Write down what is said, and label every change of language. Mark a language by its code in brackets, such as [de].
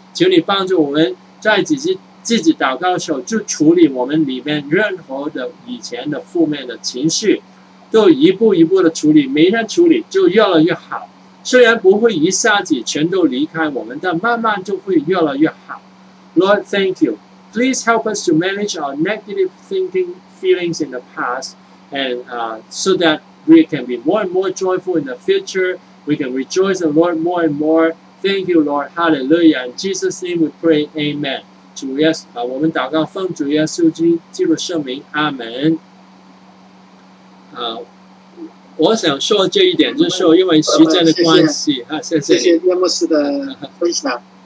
[zh] 求你帮助我们在自己祷告的时候，就处理我们里面任何的以前的负面的情绪。都一步一步的处理，每天处理就越来越好，虽然不会一下子全都离开我们，但慢慢就会越来越好。 [en] Lord, thank you. Please help us to manage our negative thinking feelings in the past and so that we can be more and more joyful in the future. We can rejoice the Lord more and more. Thank you, Lord. Hallelujah. In Jesus' name we pray. Amen. [zh] 主耶稣，我们祷告奉主耶稣基督圣名，阿门。我想说这一点，就是说因为时间的关系，谢谢，啊，谢谢叶牧师的分享，